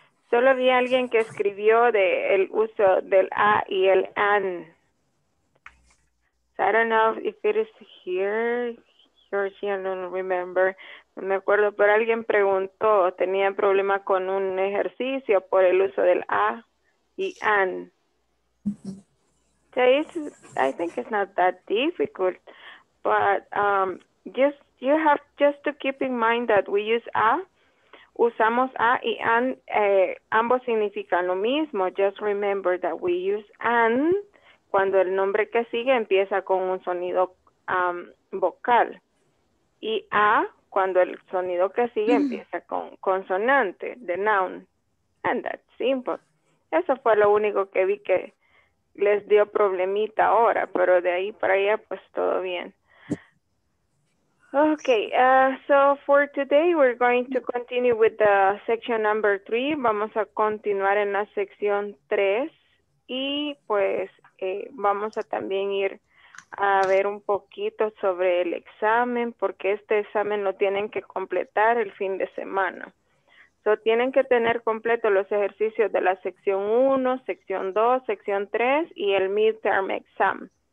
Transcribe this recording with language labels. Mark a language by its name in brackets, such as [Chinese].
[Spanish] Solo vi a alguien que escribió de el uso del a y el an. [English] So I don't know if it is here or she, I don't remember. [Spanish] No me acuerdo, pero alguien preguntó, tenía problema con un ejercicio por el uso del a y an. [English] So I think it's not that difficult, but you have just to keep in mind that we use a. [Spanish] Usamos a y an, ambos significan lo mismo. [English] Just remember that we use an [Spanish] cuando el nombre que sigue empieza con un sonido vocal. Y a cuando el sonido que sigue empieza con consonante, [English] the noun. And that's simple. [Spanish] Eso fue lo único que vi que les dio problemita ahora, pero de ahí para allá pues todo bien. [English] Okay, so for today we're going to continue with the section number 3. [Spanish] Vamos a continuar en la sección 3 y pues vamos a también ir a ver un poquito sobre el examen, porque este examen lo tienen que completar el fin de semana. So tienen que tener completo los ejercicios de la sección 1, sección 2, sección 3 y el midterm exam.